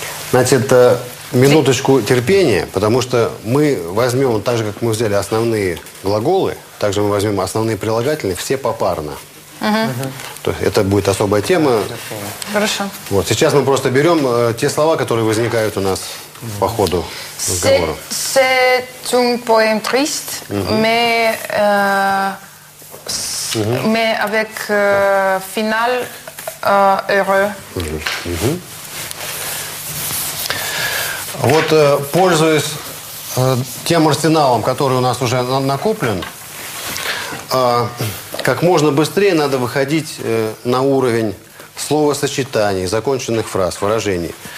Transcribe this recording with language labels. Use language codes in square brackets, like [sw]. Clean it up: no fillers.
[ru] Значит, минуточку терпения, потому что мы возьмем, так же, как мы взяли основные глаголы, также мы возьмем основные прилагательные, все попарно. Угу. То есть это будет особая тема. Хорошо. Вот сейчас мы просто берем те слова, которые возникают у нас по ходу разговора. [fr] C'est un poème triste, mais avec final heureux. [ru] Вот пользуясь тем арсеналом, который у нас уже накоплен. Как можно быстрее надо выходить на уровень словосочетаний, законченных фраз, выражений.